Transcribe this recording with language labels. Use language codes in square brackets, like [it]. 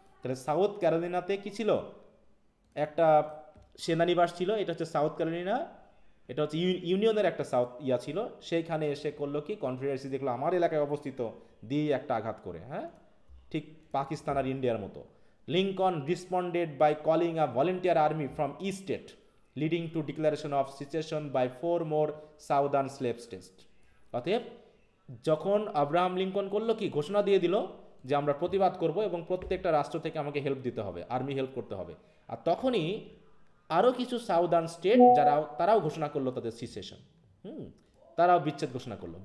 [bn] তাহলে সাউথ ক্যারোলিনাতে কী ছিল, একটা সেনানিবাস ছিল, এটা হচ্ছে সাউথ ক্যারোলিনা, এটা হচ্ছে ইউনিয়নের একটা সাউথ ইয়া ছিল, সেইখানে এসে করলো কি, কনফেডারেসি দেখলো আমার এলাকায় অবস্থিত, দিয়ে একটা আঘাত করে, হ্যাঁ, ঠিক পাকিস্তান আর ইন্ডিয়ার মতো। [en] Lincoln responded by calling a volunteer army from state, leading to declaration of secession by four more southern slave states. [bn] অতএব যখন আব্রাহাম লিংকন করলো কি ঘোষণা দিয়ে দিল যে আমরা প্রতিবাদ করব এবং প্রত্যেকটা রাষ্ট্র থেকে আমাকে হেল্প দিতে হবে, আর্মি হেল্প করতে হবে, আর তখনই আরও কিছু সাউদার্ন স্টেট যারা তারাও ঘোষণা করলো তাদের সিসেশন, তারাও বিচ্ছেদ ঘোষণা করলো।